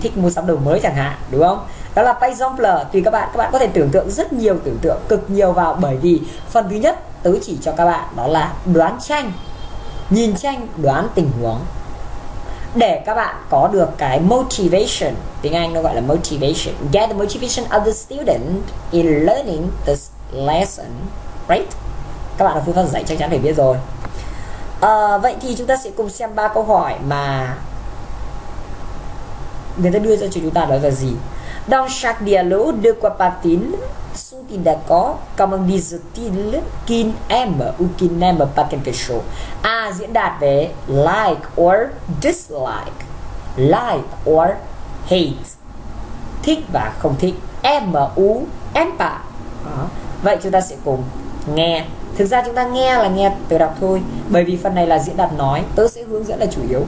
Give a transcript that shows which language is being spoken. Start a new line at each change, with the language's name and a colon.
Vietnamese: Thích mua sắm đồ mới chẳng hạn, đúng không? Đó là par exemple, tùy các bạn. Các bạn có thể tưởng tượng rất nhiều, tưởng tượng cực nhiều vào. Bởi vì phần thứ nhất tớ chỉ cho các bạn đó là đoán tranh, nhìn tranh, đoán tình huống, để các bạn có được cái motivation. Tiếng Anh nó gọi là motivation.
English: Get the motivation of the student in learning this lesson, right?
Vietnamese: Các bạn ở phương pháp dạy chắc chắn phải biết rồi. Vậy thì chúng ta sẽ cùng xem ba câu hỏi mà người ta đưa ra cho chúng ta, đó là gì.
French: Dans chaque dialogue, de quoi parle-t-il? Sont-ils d'accord? Comment disent-ils qu'ils aiment ou qu'ils n'aiment pas quelque chose?
Vietnamese: À, diễn đạt về
English: like or dislike, like or hate,
Vietnamese: thích và không thích,
French: em ou em pas.
Vietnamese: Vậy chúng ta sẽ cùng nghe. Thực ra chúng ta nghe là nghe tớ đọc thôi, bởi vì phần này là diễn đạt nói, tớ sẽ hướng dẫn là chủ yếu.